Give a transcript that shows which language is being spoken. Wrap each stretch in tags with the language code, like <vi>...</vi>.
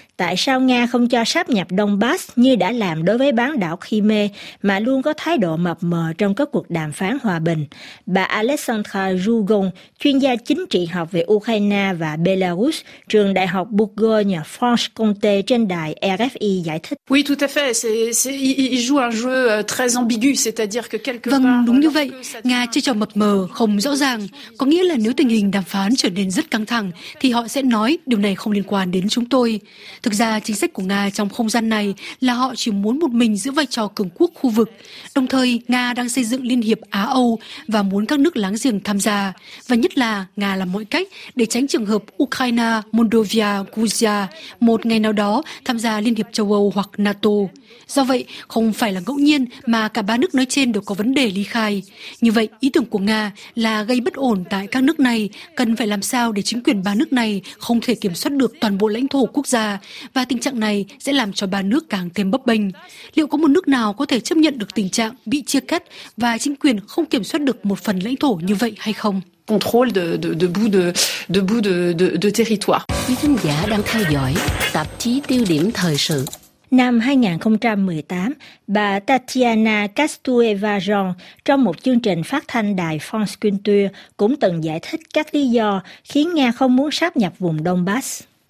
<vi>Tại sao Nga không cho sáp nhập Donbass như đã làm đối với bán đảo Crimea mà luôn có thái độ mập mờ trong các cuộc đàm phán hòa bình? Bà Alexandra Jugon, chuyên gia chính trị học về Ukraine và Belarus, trường Đại học Bourgogne Franche-Comté trên đài RFI giải thích.</vi> <fr>Oui, tout à fait. Il joue un jeu très ambigu, c'est-à-dire que quelque part.</fr> <vi>Vâng, đúng như vậy. Nga chơi trò mập mờ, không rõ ràng. Có nghĩa là nếu tình hình đàm phán trở nên rất căng thẳng, thì họ sẽ nói điều này không liên quan đến chúng tôi. Thực ra, chính sách của Nga trong không gian này là họ chỉ muốn một mình giữ vai trò cường quốc khu vực. Đồng thời, Nga đang xây dựng Liên hiệp Á-Âu và muốn các nước láng giềng tham gia. Và nhất là, Nga làm mọi cách để tránh trường hợp Ukraine, Moldova, Georgia một ngày nào đó tham gia Liên hiệp châu Âu hoặc NATO. Do vậy, không phải là ngẫu nhiên mà cả ba nước nói trên đều có vấn đề ly khai. Như vậy, ý tưởng của Nga là gây bất ổn tại các nước này, cần phải làm sao để chính quyền ba nước này không thể kiểm soát được toàn bộ lãnh thổ quốc gia, và tình trạng này sẽ làm cho ba nước càng thêm bấp bênh. Liệu có một nước nào có thể chấp nhận được tình trạng bị chia cắt và chính quyền không kiểm soát được một phần lãnh thổ như vậy hay không?</vi> <fr>contrôle de bout de territoire.</fr> <vi>Quý khán giả đang theo dõi tạp chí Tiêu điểm thời sự. Năm 2018, bà Tatiana Kastueva-Jean trong một chương trình phát thanh đài France Culture cũng từng giải thích các lý do khiến Nga không muốn sáp nhập vùng Donbass.</vi>